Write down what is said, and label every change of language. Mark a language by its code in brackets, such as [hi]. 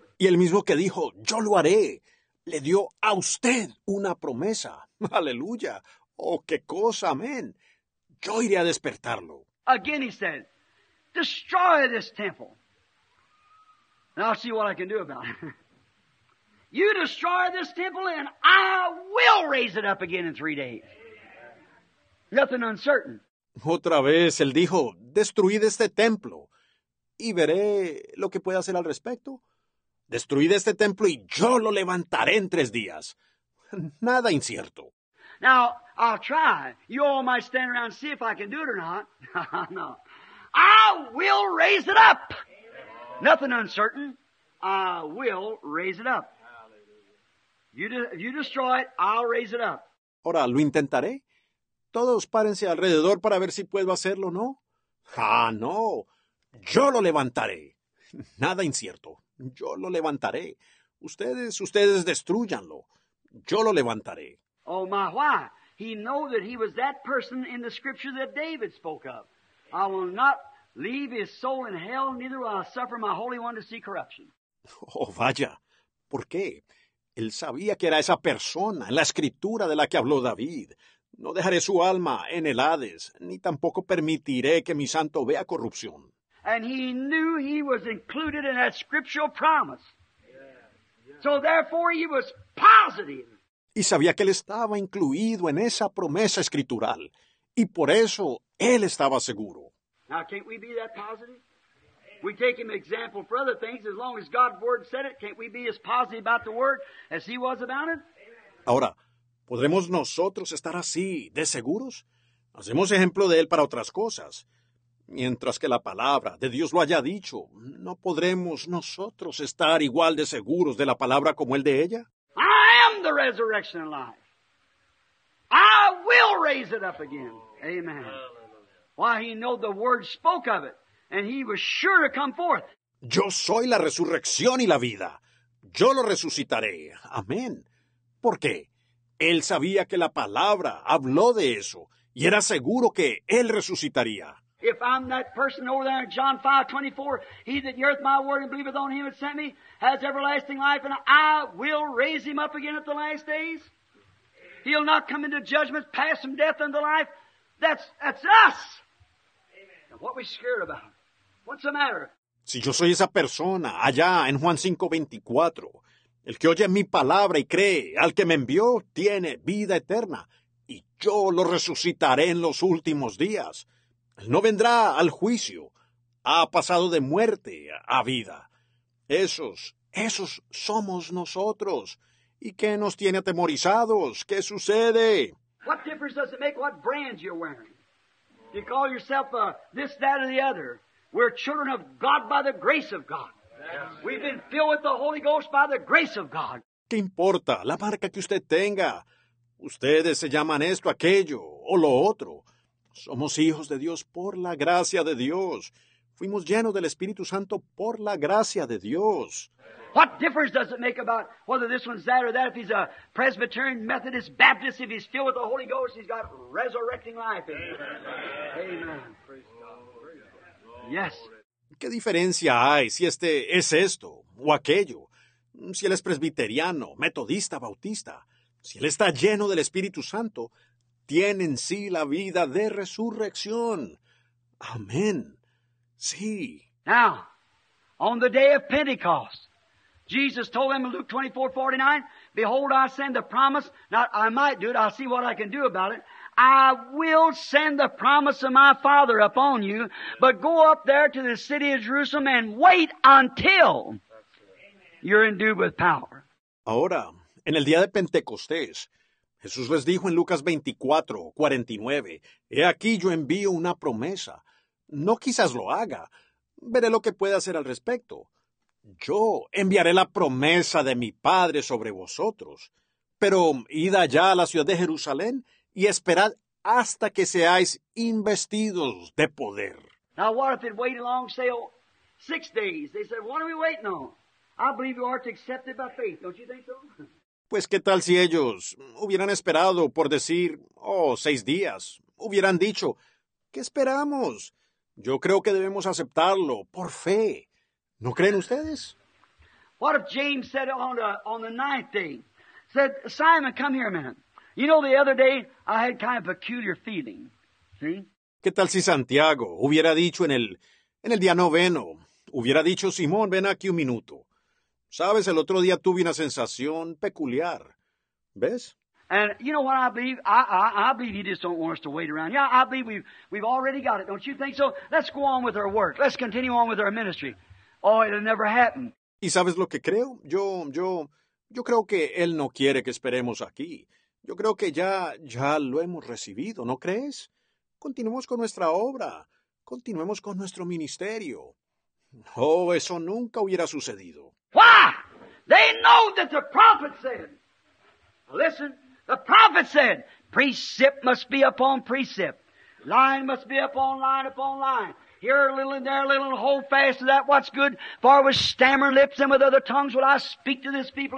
[es] Y el mismo que dijo, yo lo haré, le dio a usted una promesa. Aleluya. Oh, qué cosa, amén. Yo iré a despertarlo. [en] Again he said, destroy this temple. And I'll see what I can do about it. You destroy this temple and I will raise it up again in 3 days. Nothing uncertain. [es] Otra vez él dijo, destruid este templo y veré lo que puede hacer al respecto. Destruid este templo y yo lo levantaré en 3 días. Nada incierto. [en] Now, I'll try. You all might stand around and see if I can do it or not. No. I will raise it up. Nothing uncertain. I will raise it up. If you destroy it, I'll raise it up. [es] Ahora, ¿lo intentaré? Todos párense alrededor para ver si puedo hacerlo, ¿no? ¡Ah, no! ¡Yo lo levantaré! Nada incierto. Yo lo levantaré. Ustedes destrúyanlo. Yo lo levantaré. [en] Oh, my, why? He knew that he was that person in the scripture that David spoke of. I will not leave his soul in hell, neither will I suffer my holy one to see corruption. [es] Oh, vaya. ¿Por qué? Él sabía que era esa persona en la escritura de la que habló David. No dejaré su alma en el Hades, ni tampoco permitiré que mi santo vea corrupción. [en] And he knew he was included in that scriptural promise. Yeah, yeah. So therefore he was positive. [es] Y sabía que él estaba incluido en esa promesa escritural. Y por eso él estaba seguro. [en] Now can't we be that positive? We take him example for other things. As long as God's word said it, can't we be as positive about the word as he was about it? [es] Ahora, ¿podremos nosotros estar así, de seguros? Hacemos ejemplo de él para otras cosas. Mientras que la palabra de Dios lo haya dicho, ¿no podremos nosotros estar igual de seguros de la palabra como él de ella? [en] I am the resurrection and life. I will raise it up again. Amen. Why, he knew the word spoke of it, and he was sure to come forth. [es] Yo soy la resurrección y la vida. Yo lo resucitaré. Amén. ¿Por qué? Él sabía que la palabra habló de eso, y era seguro que él resucitaría. [en] If I'm that person over there in John 5:24, he that heareth my word and believeth on him that sent me has everlasting life, and I will raise him up again at the last days. He'll not come into judgment, pass from death into life. That's us. Amen. Now, what are we scared about? What's the matter? [es] Si yo soy esa persona allá en Juan 5:24. El que oye mi palabra y cree al que me envió tiene vida eterna, y yo lo resucitaré en los últimos días. Él no vendrá al juicio. Ha pasado de muerte a vida. Esos somos nosotros. ¿Y qué nos tiene atemorizados? ¿Qué sucede? [en] What difference does it make what brand you're wearing? You call yourself this, that, or the other. We're children of God by the grace of God. We've been filled with the Holy Ghost by the grace of God. [es] ¿Qué importa la marca que usted tenga? Ustedes se llaman esto, aquello o lo otro. Somos hijos de Dios por la gracia de Dios. Fuimos llenos del Espíritu Santo por la gracia de Dios. [en] What difference does it make about whether this one's that or that? If he's a Presbyterian, Methodist, Baptist, if he's filled with the Holy Ghost, he's got resurrecting life in him. Amen. Yes. [es] ¿Qué diferencia hay si este es esto o aquello? Si él es presbiteriano, metodista, bautista, si él está lleno del Espíritu Santo, tiene en sí la vida de resurrección. [en] Amen. See. Now, on the day of Pentecost, Jesus told them in Luke 24:49, behold, I send the promise. Now, I might do it. I'll see what I can do about it. I will send the promise of my Father upon you, but go up there to the city of Jerusalem and wait until you're endued with power. [es] Ahora, en el día de Pentecostés, Jesús les dijo en Lucas 24:49, he aquí yo envío una promesa. No quizás lo haga. Veré lo que puede hacer al respecto. Yo enviaré la promesa de mi Padre sobre vosotros. Pero id allá a la ciudad de Jerusalén y esperad hasta que seáis investidos de poder. [en] Now what if it waited long, say, oh, 6 days? They said, what are we waiting on? I believe you are to accept it by faith, don't you think so? [es] Pues qué tal si ellos hubieran esperado por decir, oh, 6 días. Hubieran dicho, ¿qué esperamos? Yo creo que debemos aceptarlo por fe. ¿No creen ustedes? [en] What if James said on the ninth day, said, Simon, come here a minute. You know, the other day, I had kind of a peculiar feeling. See? [es] ¿Qué tal si Santiago hubiera dicho en el día noveno, hubiera dicho, Simón, ven aquí un minuto. Sabes, el otro día tuve una sensación peculiar. ¿Ves? [en] And you know what I believe? I believe you just don't want us to wait around. Yeah, I believe we've already got it. Don't you think so? Let's go on with our work. Let's continue on with our ministry. Oh, it'll never happen. [es] ¿Y sabes lo que creo? Yo creo que él no quiere que esperemos aquí. Yo creo que ya lo hemos recibido, ¿no crees? Continuemos con nuestra obra. Continuemos con nuestro ministerio. No, eso nunca hubiera sucedido. [en] Why? They know that the prophet said. Listen, the prophet said, precept must be upon precept. Line must be upon line. Here a little and there a little, and hold fast to that what's good. For with stammer lips and with other tongues will I speak to this people.